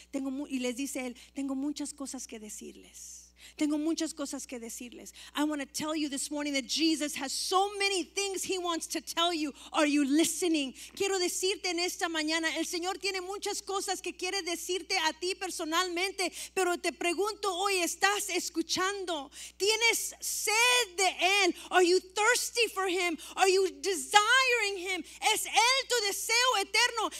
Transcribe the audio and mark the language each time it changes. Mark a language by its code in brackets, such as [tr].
[es] Y les dice Él, tengo muchas cosas que decirles. Tengo muchas cosas que decirles. [en] I want to tell you this morning that Jesus has so many things he wants to tell you. Are you listening? [es] Quiero decirte en esta mañana, el Señor tiene muchas cosas que quiere decirte a ti personalmente, pero te pregunto hoy, ¿estás escuchando? ¿Tienes sed de Él? [en] Are you thirsty for Him? Are you desiring Him? [es] ¿Es Él tu deseo eterno?